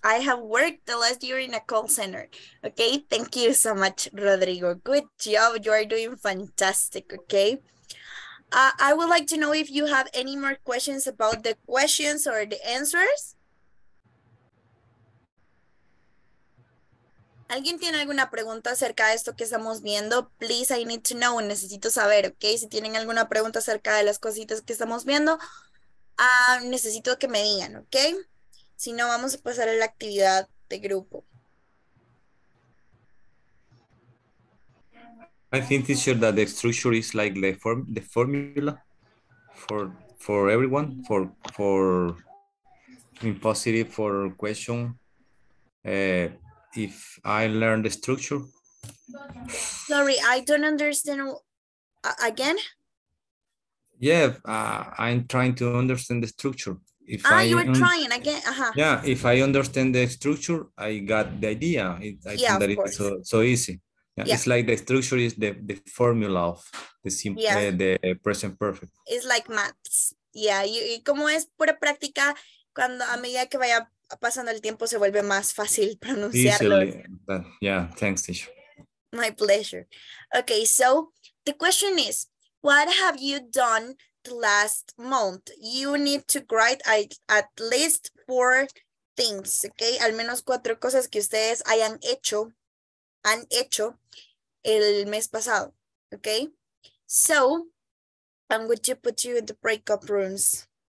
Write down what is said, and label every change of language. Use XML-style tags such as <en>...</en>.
<en>I have worked the last year in a call center. Okay, thank you so much, Rodrigo. Good job. You are doing fantastic, okay? I would like to know if you have any more questions about the questions or the answers.</en> <es>¿Alguien tiene alguna pregunta acerca de esto que estamos viendo?</es> <en>Please, I need to know.</en> <es>Necesito saber, okay? Si tienen alguna pregunta acerca de las cositas que estamos viendo, necesito que me digan, okay? Si no, vamos a pasar a la actividad de grupo.</es> <en>I think, teacher, that the structure is like the formula for everyone, for in positive, for question. If I learn the structure. Sorry, I don't understand. Again? Yeah, I'm trying to understand the structure. Uh-huh. Yeah, if I understand the structure, I got the idea. It's so easy. Yeah. It's like the structure is the formula of the simple, yeah. The present perfect. It's like maths.</en> <es>Yeah, y como es pura práctica, cuando a medida que vaya pasando el tiempo se vuelve más fácil pronunciarlo.</es> <en>Yeah, thanks, teacher. My pleasure. Okay, so the question is, what have you done the last month? You need to write at least 4 things, okay?</en> <es>Al menos 4 cosas que ustedes han hecho el mes pasado, okay?</es> <en>So, I'm going to put you in the breakout rooms.</en>